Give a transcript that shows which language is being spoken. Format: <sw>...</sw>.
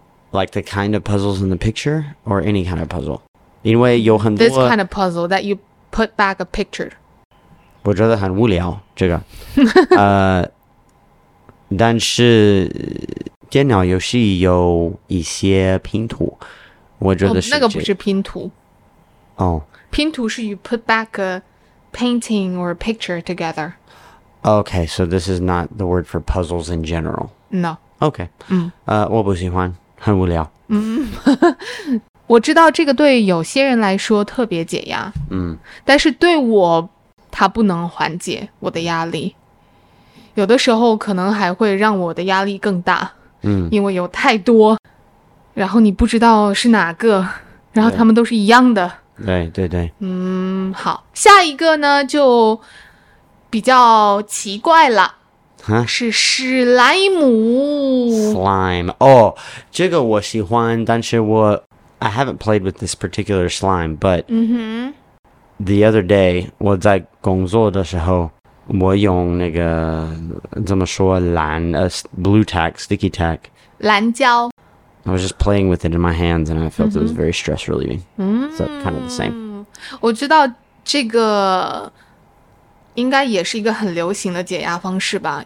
<en>Like the kind of puzzles in the picture or any kind of puzzle?</en> <zh>因为有很多</zh> <en>This kind of puzzle that you put back a picture.</en> <zh>我觉得很无聊这个。但是电脑游戏有一些拼图，我觉得是、那个不是拼图。哦，拼图是</zh> <en>you put back a painting or a picture together. Okay, so this is not the word for puzzles in general. No.</en> <zh>Okay. 我不喜欢，很无聊。我知道这个对有些人来说特别解压。嗯，但是对我，它不能缓解我的压力。有的时候可能还会让我的压力更大，嗯，因为有太多，然后你不知道是哪个，然后他们都是一样的。对对对。嗯，好，下一个呢就比较奇怪了，哈，是史莱姆。</zh> <en>Slime，</en> <zh>哦，这个我喜欢，但是我</zh> <en>I haven't played with this particular slime， but、the other day</en> <zh>我在工作的时候。我用那个怎么说蓝</zh> <en>blue tack, sticky tack.</en> <zh>蓝胶。</zh> <en>I was just playing with it in my hands and I felt、it was very stress relieving.、So kind of the same.</en> <zh>我知道这个应该也是一个很流行的解压方式吧。</zh>